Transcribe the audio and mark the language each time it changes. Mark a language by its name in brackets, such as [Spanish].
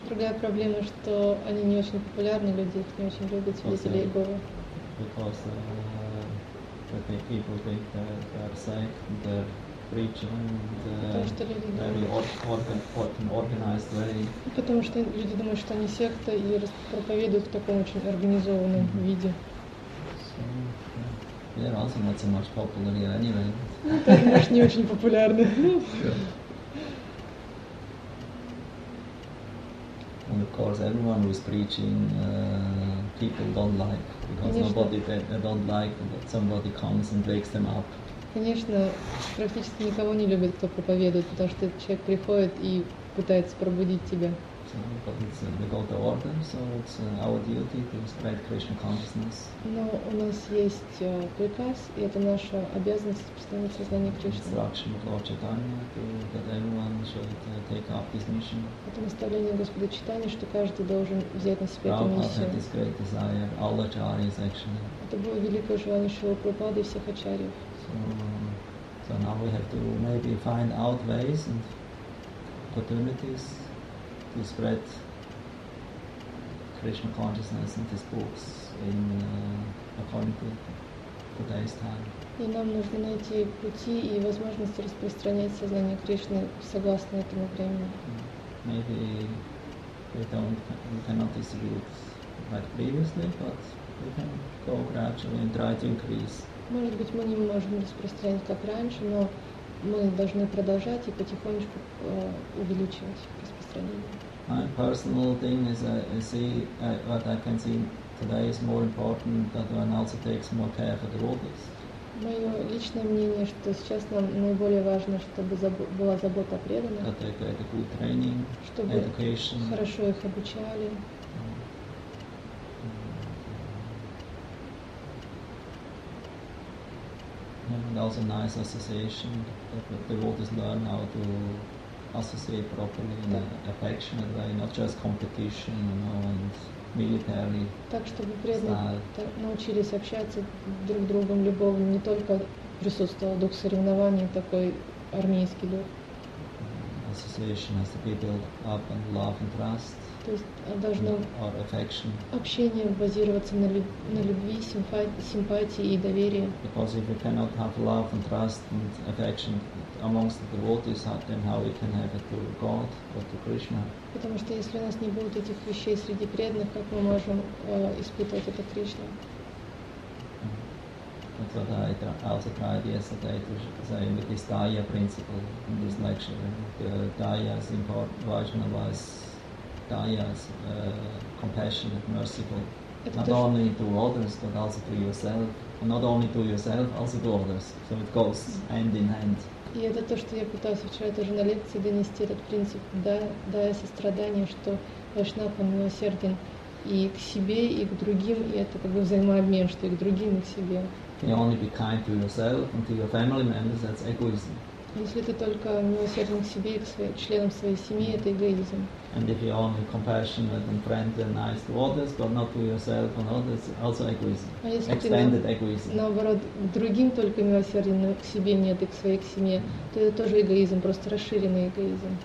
[Russian] Другая проблема, что они не очень популярны, люди их не очень любят, свидетели Иеговы. [English] Because people think that they're sick, they're preaching, organized way. [Russian] Потому что люди думают, что они секта и проповедуют в таком очень организованном виде. [English] They're also not so much popular here anyway. [Russian] Они же не очень популярны. [English] And of course, everyone who is preaching, people don't like, because [Russian] конечно, [English] nobody they don't like, but somebody comes and wakes them up. [Russian] Конечно, практически никого не любят, кто проповедует, потому что человек приходит и пытается пробудить тебя. [English] So, we got the order, so it's our duty to spread Krishna consciousness. [Russian] Но у нас есть приказ, и это наша обязанность распространить сознание Кришны. [English] Instruction of Lord Chaitanya, that everyone should take up this mission. [Russian] Это наставление Господа Чайтаньи, что каждый должен взять на себя эту миссию. [English] Prabhupada had this great desire, all acharyas actually. [Russian] Это было великое желание Шрилы Прабхупады и всех ачарьев. [English] So now we have to maybe find out ways and opportunities to spread Krishna consciousness and his books in according to today's time. [Russian] И нам нужно найти пути и возможности распространять сознание Кришны согласно этому времени. [English] Maybe we cannot distribute like previously, but we can go gradually and try to increase. [Russian] Может быть, мы не можем распространять как раньше, но мы должны продолжать и потихонечку увеличивать распространение. [English] My personal thing is I see what I can see today is more important that one also takes more care for the workers. [Russian] Мое личное мнение, что сейчас нам наиболее важно, чтобы была забота о преданных. [English] That they get a good training, [Russian] чтобы [English] education. [Russian] Хорошо их обучали. [English] And also nice association, that the devotees learn how to associate properly in an affectionate way, not just competition, you know, and militarily. [Russian] Так, чтобы преданные научились общаться друг с другом любовно, не только присутствовал дух соревнований, такой армейский дух. [English] Association has to be built up on love and trust. [Russian] То есть должно [English] or affection. [Russian] Общение базироваться на любви, симпатии и доверии. [English] Because if we cannot have love and trust and affection amongst the devotees, then how we can have it to God or to Krishna? [Russian] Потому что если у нас не будет этих вещей среди преданных, как мы можем испытывать это Кришне? [English] That's what I also tried yesterday to say with this Daya principle in this lecture. The Daya is important, Vajnava is Daya is compassionate, merciful. Not only to others, but also to yourself. Not only to yourself, also to others. So it goes hand in hand. [Russian] И это то, что я пытался вчера тоже на лекции донести, этот принцип Дая сострадания, что Вайшнав, он милосерден и к себе, и к другим, и это как бы взаимообмен, что и к другим, и к себе. [English] You only be kind to yourself and to your family members, that's egoism. [Russian] Если ты только милосерден к себе и к членам своей семьи, это эгоизм. [English] And if you're only compassionate and friendly and nice to others, but not to yourself and others, also egoism. Extended egoism. [Russian] Наоборот, к другим только милосерден, но к себе нет и к своей к семье, то это тоже эгоизм, просто расширенный эгоизм.